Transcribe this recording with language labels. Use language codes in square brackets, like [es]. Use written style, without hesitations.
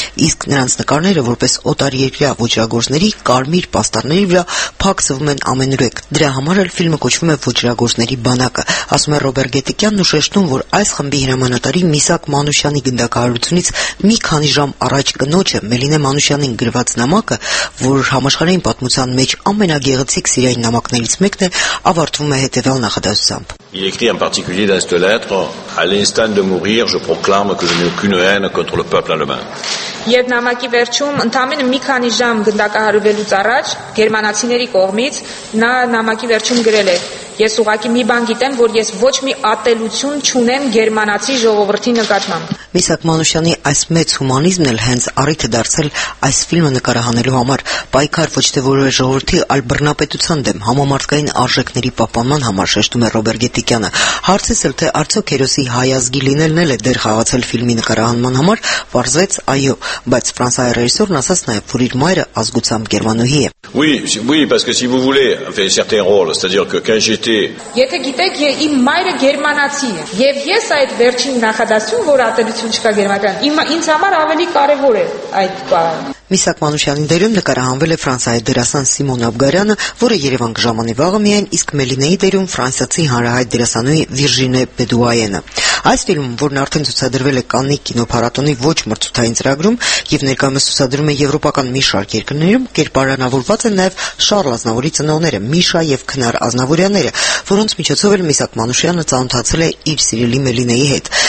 [hy] իսկ նրանց նկարները որպես օտար երկրյա ոչրագործների կարմիր պաստառների վրա փակսվում են ամենուրեք։ Դրա համար էլ ֆիլմը կոչվում է «Ոչրագործների բանակը», ասում է Ռոբեր Գեդիկյանն ու շեշտում, որ այս խմբի հրամանատարի Միսակ Մանուշյանի գնդակահարությունից մի քանի ժամ առաջ կնոջը Մելինե Մանուշյանին գրված նամակը, որ համաշխարհային պատմության մեջ ամենագեղեցիկ սիրային նամակներից մեկն է, ավարտվում է հետևյալ նախադասությամբ. [fr] Il écrit en particulier dans cette lettre, à l'instant de mourir, je proclame que je n'ai aucune haine contre le peuple allemand. [hy] Երբ նամակի վերջում ընդամենը մի քանի ժամ գնդակահարվելուց առաջ գերմանացիների կողմից նա նամակի վերջում գրել է. Ես ուղղակի մի բան գիտեմ, որ ես ոչ մի ատելություն չունեմ գերմանացի ժողովրդի նկատմամբ։ Միսակ Մանուշյանի այս մեծ հումանիզմն էլ հենց առիթը դարձել այս ֆիլմը նկարահանելու համար, պայքար ոչ թե որևէ ժողովրդի, այլ բռնապետության դեմ, համամարտկային արժեքների պահպանման համար, շեշտում է Ռոբեր Գեդիկյանը։ Հարցից էլ, թե արդյոք հերոսի հայազգի լինելն էլ է դեր խաղացել ֆիլմի նկարահանման համար, պարզվեց այո, բայց ֆրանսայ ռեժիսորն ասաց նաև, որ իր մայրը ազգությամբ գերմանուհի է։ [fr] Oui, parce que si vous voulez, en fait, certains rôles, c'est-à-dire que quand j'étais. [hy] Եթե գիտեք, իմ մայրը գերմանացի է, եւ ես այդ վերջին նախադասում, որ ատելություն չկա գերմանական, ինձ համար ավելի կարևոր է այդ բանը։ Միսակ Մանուշյանի դերում նկարահանվել է ֆրանսայի դերասան Սիմոն Աբգարյանը, որը Երևան կժամանի վաղը միայն, իսկ Մելինեի դերում ֆրանսացի հանրահայտ դերասանուհի Վիրժինե Բեդուայենը։ Այս ֆիլմը, որն արդեն ցուցադրվել է Կաննի կինոփառատոնի ոչ մրցութային ծրագրում և ներկայումս ցուցադրում է եվրոպական մի շարք երկրներում, կերպարանավորված են նաև Շառլ Ազնավուրի ծնողները՝ Միշա և Քնար Ազնավուրյանները, որոնց միջոցով էլ Միսակ Մանուշյանը ծանոթացել է իր սիրելի Մելինեի հետ։